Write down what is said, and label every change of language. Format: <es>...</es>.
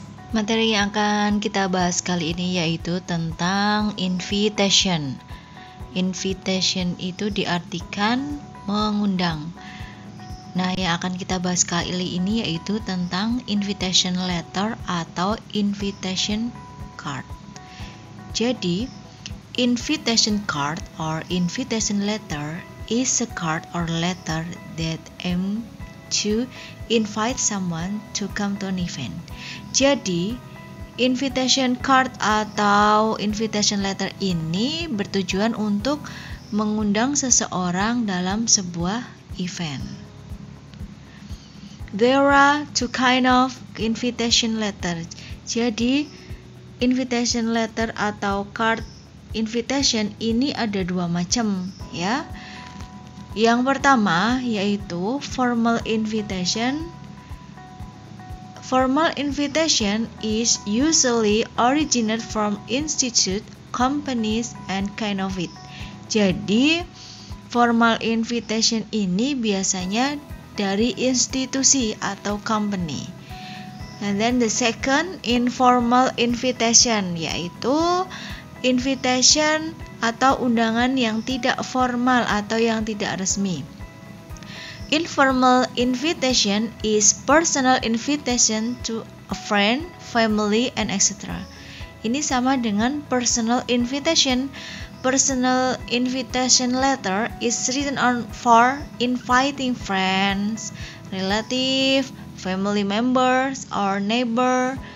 <id>Materi yang akan kita bahas kali ini yaitu tentang invitation. Invitation itu diartikan mengundang. Nah, yang akan kita bahas kali ini yaitu tentang invitation letter atau invitation card.</id> <en>Jadi, invitation card or invitation letter is a card or letter that aims to invite someone to come to an event.</en> <id>Jadi, invitation card atau invitation letter ini bertujuan untuk mengundang seseorang dalam sebuah event.</id> <en>There are two kind of invitation letter.</en> <id>Jadi, invitation letter atau card invitation ini ada dua macam, ya. Yang pertama yaitu formal invitation.</id> <en>Formal invitation is usually originated from institute, companies, and kind of it.</en> <id>Jadi, formal invitation ini biasanya dari institusi atau company.</id> <en>And then the second, informal invitation,</en> <id>yaitu invitation atau undangan yang tidak formal atau yang tidak resmi.</id> <en>Informal invitation is personal invitation to a friend, family, and etc.</en> <id>Ini sama dengan personal invitation.</id> <en>Personal invitation letter is written on for inviting friends, relative, family members, or neighbor.</en>